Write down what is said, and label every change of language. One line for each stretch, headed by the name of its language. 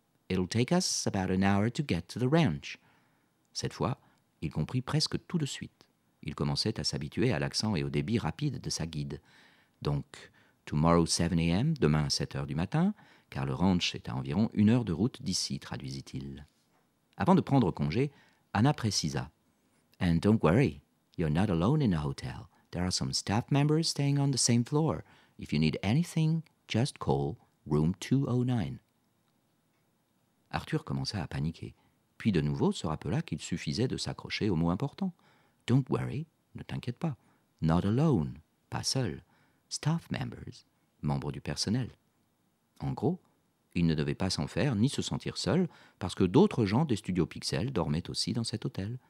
English: It'll take us about an hour to get to the ranch. »
French: Cette fois, il comprit presque tout de suite. Il commençait à s'habituer à l'accent et au débit rapide de sa guide. Donc, «
English: Tomorrow 7 a.m.
French: » demain à 7 heures du matin, car le ranch est à environ une heure de route d'ici, traduisit-il. Avant de prendre congé, Anna précisa.
English: « And don't worry, you're not alone in a hotel. There are some staff members staying on the same floor. If you need anything, just call. » Room 209.
French: Arthur commença à paniquer, puis de nouveau se rappela qu'il suffisait de s'accrocher aux mots importants.
English: Don't worry,
French: ne t'inquiète pas.
English: Not alone,
French: pas seul.
English: Staff members,
French: membres du personnel. En gros, il ne devait pas s'en faire ni se sentir seul parce que d'autres gens des studios Pixel dormaient aussi dans cet hôtel.